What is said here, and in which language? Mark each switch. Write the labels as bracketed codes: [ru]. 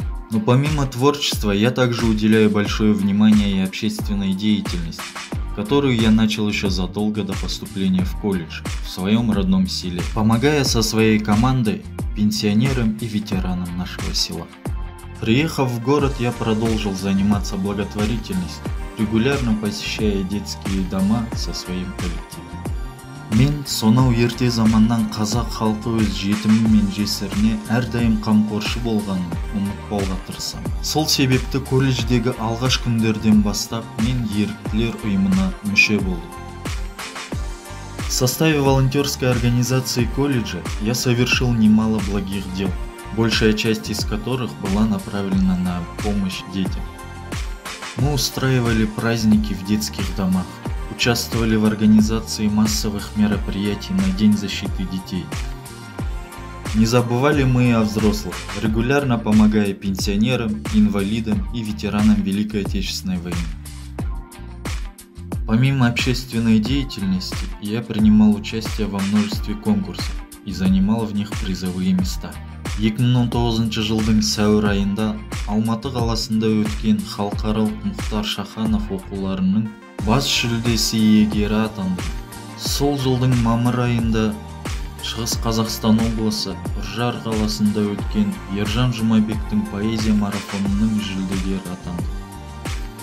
[ru] Но помимо творчества, я также уделяю большое внимание и общественной деятельности, которую я начал еще задолго до поступления в колледж в своем родном селе, помогая со своей командой пенсионерам и ветеранам нашего села. Приехав в город, я продолжил заниматься благотворительностью, регулярно посещая детские дома со своим коллективом. [kk] Мен сонау ерте заманнан қазақ халқы өз жетімі мен жесіріне әрдайым қамқоршы болғанын ұмытпауға тырысам. Сол себепті колледждегі алғаш күндерден бастап мен еріктілер ұйымына мүше болдым. [ru] В составе волонтерской организации колледжа я совершил немало благих дел, большая часть из которых была направлена на помощь детям. Мы устраивали праздники в детских домах, участвовали в организации массовых мероприятий на День защиты детей. Не забывали мы и о взрослых, регулярно помогая пенсионерам, инвалидам и ветеранам Великой Отечественной войны. Помимо общественной деятельности, я принимал участие во множестве конкурсов и занимал в них призовые места. [kk] 2019 жылдың сәуір айында Алматы қаласында өткен халықаралық Мұхтар Шаханов оқуларының бас жүлдесі иегері атанды. Сол жылдың мамыр айында Шығыс Қазақстан облысы Үржар қаласында өткен Ержан Жұмабектің поэзия марафонының жүлдегері атанды.